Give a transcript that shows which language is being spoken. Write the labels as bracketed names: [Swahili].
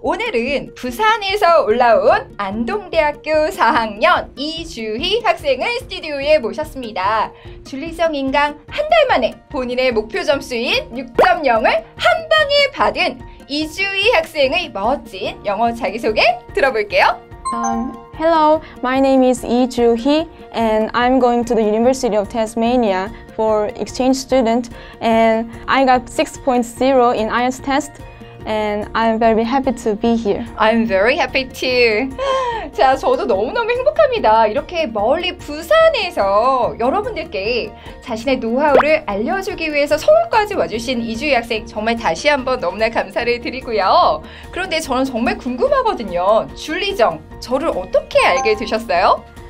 [Korean] 오늘은 부산에서 올라온 안동대학교 4학년 이주희 학생을 스튜디오에 모셨습니다. 줄리송 인강 한 달 만에 본인의 목표 점수인 6.0을 한 방에 받은 이주희 학생의 멋진 영어 자기소개 들어볼게요. [English] Hello, my name is Lee Joo-hee, and I'm going to the University of Tasmania for exchange student, and I got 6.0 in IELTS test, and I'm very happy to be here. I'm very happy too. [Korean] 자, 저도 너무너무 행복합니다. 이렇게 멀리 부산에서 여러분들께 자신의 노하우를 알려주기 위해서 서울까지 와주신 이주희 학생 정말 다시 한번 너무나 감사를 드리고요. 그런데 저는 정말 궁금하거든요. 줄리정, 저를 어떻게 알게 되셨어요?